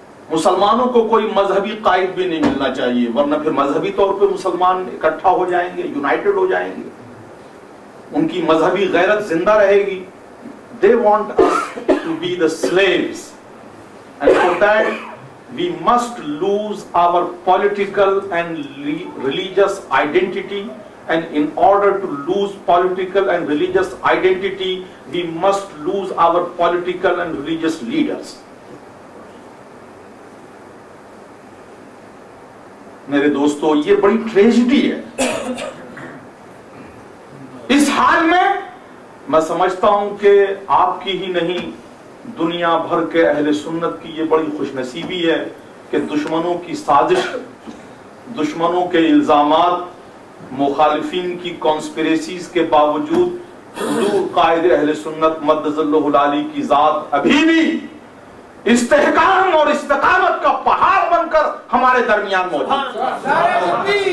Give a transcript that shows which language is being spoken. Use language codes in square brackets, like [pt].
[ur] مسلمانوں کو کوئی مذہبی قائد بھی نہیں ملنا چاہیے, ورنہ پھر مذہبی طور پہ مسلمان اکٹھا ہو جائیں گے, یونائٹڈ ہو جائیں گے, ان کی مذہبی غیرت زندہ رہے گی. [en] They want us to be the slaves, and for that we must lose our political and religious identity. And in order to lose political and religious identity, we must lose our political and religious leaders. [ur] میرے دوستو یہ بڑی tragedy ہے. اس حال میں سمجھتا ہوں کہ آپ کی ہی نہیں دنیا بھر کے اہل سنت کی یہ بڑی خوش نصیبی ہے کہ دشمنوں کی سازش, دشمنوں کے الزامات, مخالفین کی کانسپریسیز کے باوجود حضور قائد اہل سنت مدظ اللہ العالی کی ذات ابھی بھی استحکام اور استقامت کا پہاڑ بن کر ہمارے درمیان موجود ہے.